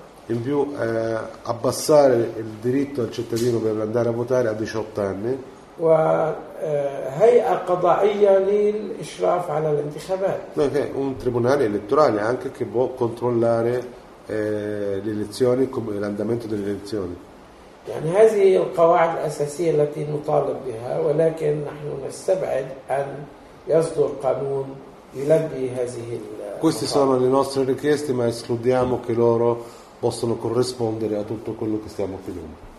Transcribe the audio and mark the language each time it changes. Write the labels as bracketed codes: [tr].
[it] in più abbassare il diritto al cittadino per andare a votare a 18 anni un tribunale elettorale anche che può controllare le elezioni come l'andamento delle elezioni. [ar] يعني هذه القواعد الأساسية التي نطالب بها ولكن نحن نستبعد أن يصدر قانون يلبي هذه. [it] Queste sono le nostre richieste, ma escludiamo che loro possono corrispondere a tutto quello che stiamo chiedendo.